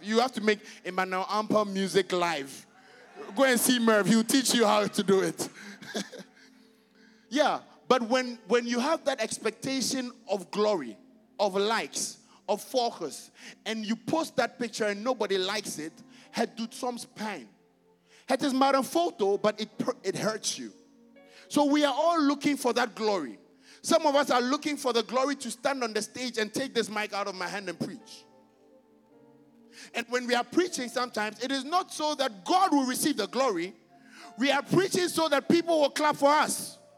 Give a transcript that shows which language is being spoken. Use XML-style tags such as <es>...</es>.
<en>You have to make Emmanuel Ampal music live. Go and see Merv. He'll teach you how to do it. Yeah. But when you have that expectation of glory, of likes, of focus, and you post that picture and nobody likes it,</en> <nl>het doet soms pijn. Het is maar een foto,</nl> <en>but it hurts you. So we are all looking for that glory. Some of us are looking for the glory to stand on the stage and take this mic out of my hand and preach. And when we are preaching sometimes, it is not so that God will receive the glory. We are preaching so that people will clap for us.</en>